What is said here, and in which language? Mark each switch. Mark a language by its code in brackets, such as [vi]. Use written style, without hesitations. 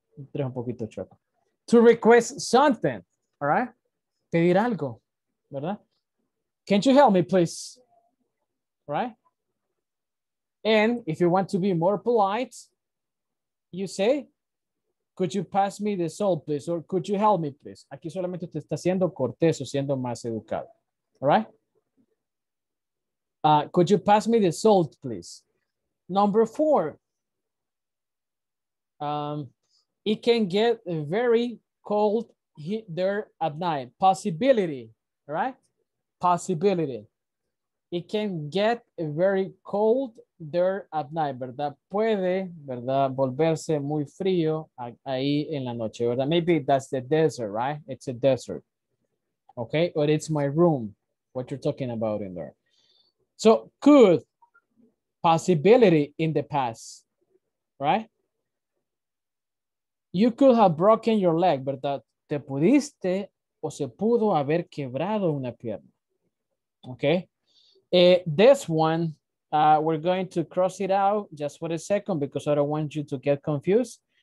[es] Tres un poquito chueco. [en] To request something, all right? [es] Pedir algo, ¿verdad? [en] Can't you help me, please? All right? And if you want to be more polite, you say, could you pass me the salt, please? Or could you help me, please? [es] Aquí solamente te está siendo cortés o siendo más educado. [en] All right? Could you pass me the salt, please? Number four. It can get very cold there at night. Possibility, right? Possibility. It can get very cold there at night, ¿verdad? [es] Puede, ¿verdad? Volverse muy frío ahí en la noche, ¿verdad? [en] Maybe that's the desert, right? It's a desert. Okay, or it's my room, what you're talking about in there. So, could, possibility in the past, right? You could have broken your leg, ¿verdad? [es] Te pudiste o se pudo haber quebrado una pierna. Okay, [en] This one, we're going to cross it out just for a second because I don't want you to get confused.